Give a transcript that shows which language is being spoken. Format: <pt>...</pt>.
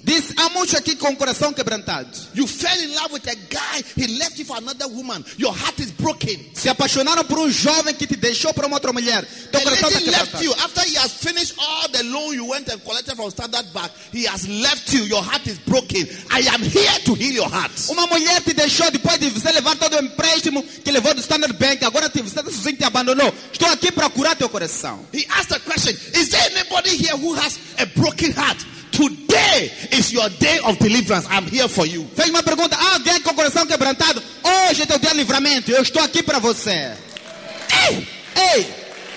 <pt>Diz, há muito aqui com o coração quebrantado.</pt> <en>You fell in love with a guy, he left you for another woman. Your heart is broken.</en> <pt>Se apaixonaram por jovem que te deixou para outra mulher. Teu coração está quebrantado.</pt> <en>He left you after he has finished all the loan you went and collected from Standard Bank. He has left you. Your heart is broken. I am here to heal your heart.</en> <pt>Uma mulher te deixou depois de você levar todo o empréstimo que levou do Standard Bank. Agora você está sozinho, te abandonou. Estou aqui para curar teu coração.</pt> <en>He asked a question. Is there anybody here who has a broken heart? Today is your day of deliverance. I'm here for you.</en> <pt>Fez uma pergunta. Ah, alguém com o coração quebrantado? Hoje é teu dia de livramento. Eu estou aqui para você. Ei! Ei!</pt>